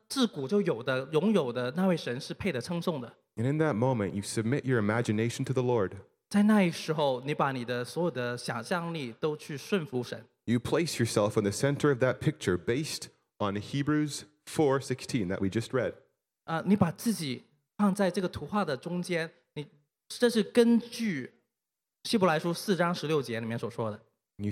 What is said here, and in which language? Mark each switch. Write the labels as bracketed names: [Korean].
[Chinese] 各天使在天上飞来飞去，一起在宣告说圣哉，圣哉，圣哉，那自古就有的，拥有的那位神是配得称颂的。 [English] And in that moment, you submit your imagination to the Lord. [Chinese] 在那一时候，你把你的所有的想象力都去顺服神。 [English] You place yourself in the center of that picture based on Hebrews 4:16 that we just read. [Chinese] 你把自己放在这个图画的中间，你这是根据希伯来书4章16节里面所说的。 [English] You